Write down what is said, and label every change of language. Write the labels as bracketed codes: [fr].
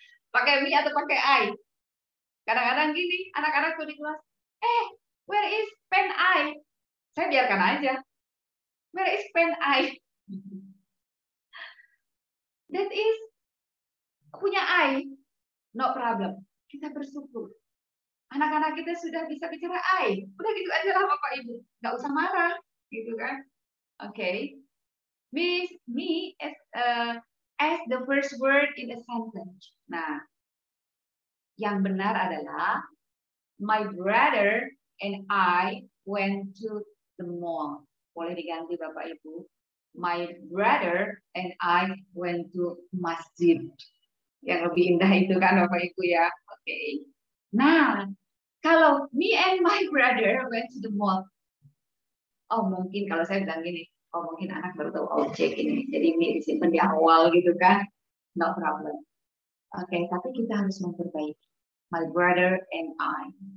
[id] Pakai me atau pakai I? Kadang-kadang gini, anak-anakku di kelas, [en] where is pen I? [id] Saya biarkan aja. [en] Where is pen I? That is, punya I. No problem. [id] Kita bersyukur. Anak-anak kita sudah bisa bicara I. Udah gitu aja lah Bapak Ibu. Nggak usah marah. Gitu kan. Oke. Okay. [en] Me as the first word in a sentence. Nah. [id] Yang benar adalah [en] my brother and I went to the mall. [id] Boleh diganti Bapak Ibu. [en] My brother and I went to masjid. [id] Yang lebih indah itu kan Bapak Ibu ya. Oke. Okay. Nah. [en] Kalau me and my brother went to the mall. [id] Oh, mungkin kalau saya bilang gini. Oh, mungkin anak baru tahu objek ini. Jadi me disimpan di awal gitu kan. [en] No problem. [id] Oke, okay, tapi kita harus memperbaiki. [en] My brother and I.